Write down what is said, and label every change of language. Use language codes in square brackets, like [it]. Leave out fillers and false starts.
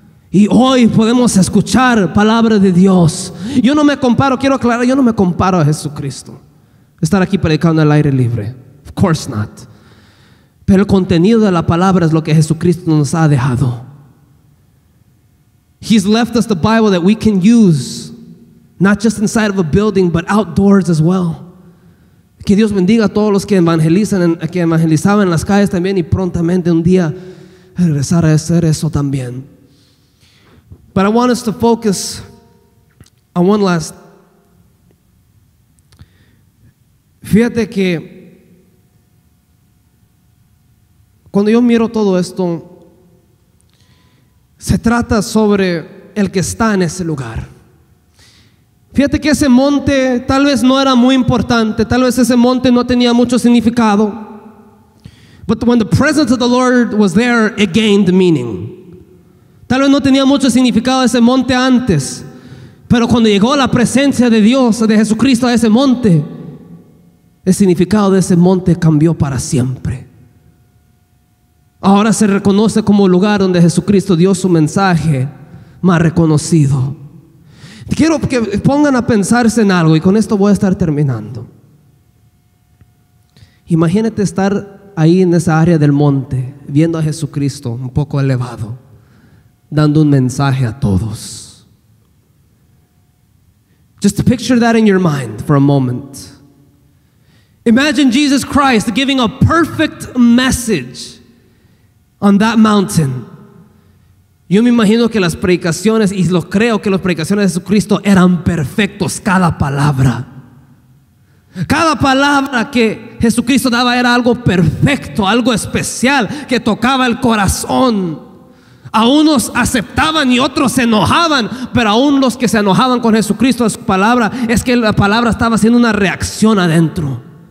[es] Y hoy podemos escuchar palabra de Dios. Yo no me comparo, quiero aclarar, yo no me comparo a Jesucristo. Estar aquí predicando al aire libre. [en] Of course not. [es] Pero el contenido de la palabra es lo que Jesucristo nos ha dejado. [en] He's left us the Bible that we can use. Not just inside of a building, but outdoors as well. [es] Que Dios bendiga a todos los que evangelizan, que evangelizaban en las calles también, y prontamente un día regresar a hacer eso también. [en] But I want us to focus on one last. [es] Fíjate que cuando yo miro todo esto, se trata sobre el que está en ese lugar. Fíjate que ese monte tal vez no era muy importante, tal vez ese monte no tenía mucho significado. [en] But when the presence of the Lord was there, it gained meaning. [es] Tal vez no tenía mucho significado ese monte antes, pero cuando llegó la presencia de Dios, de Jesucristo a ese monte, el significado de ese monte cambió para siempre. Ahora se reconoce como el lugar donde Jesucristo dio su mensaje más reconocido. Quiero que pongan a pensarse en algo, y con esto voy a estar terminando. Imagínate estar ahí en esa área del monte, viendo a Jesucristo un poco elevado, dando un mensaje a todos. [en] Just picture that in your mind for a moment. Imagine Jesus Christ giving a perfect message on that mountain. [es] Yo me imagino que las predicaciones, y lo creo que las predicaciones de Jesucristo eran perfectos, cada palabra. Cada palabra que Jesucristo daba era algo perfecto, algo especial, que tocaba el corazón. A unos aceptaban y otros se enojaban, pero aún los que se enojaban con Jesucristo de su palabra, es que la palabra estaba haciendo una reacción adentro.